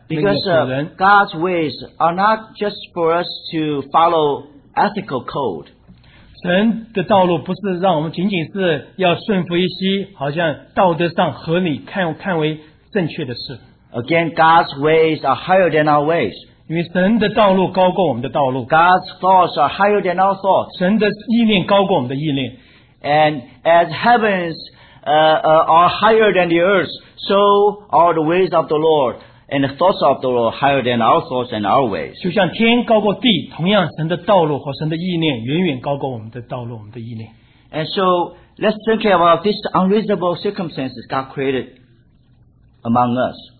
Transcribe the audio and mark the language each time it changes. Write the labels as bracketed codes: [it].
[en] Because God's ways are not just for us to follow ethical code. [zh] 神的道路不是让我们仅仅是要顺服一些好像道德上合理 看为正确的事。 [en] Again, God's ways are higher than our ways. [zh] 因为神的道路高过我们的道路。 [en] God's thoughts are higher than our thoughts. [zh] 神的意念高过我们的意念。 [en] And as heavens are higher than the earth, so are the ways of the Lord and the thoughts of the Lord higher than our thoughts and our ways. [zh] 就像天高过地，同样神的道路和神的意念远远高过我们的道路，我们的意念。 [en] And so let's think about this unreasonable circumstances God created among us.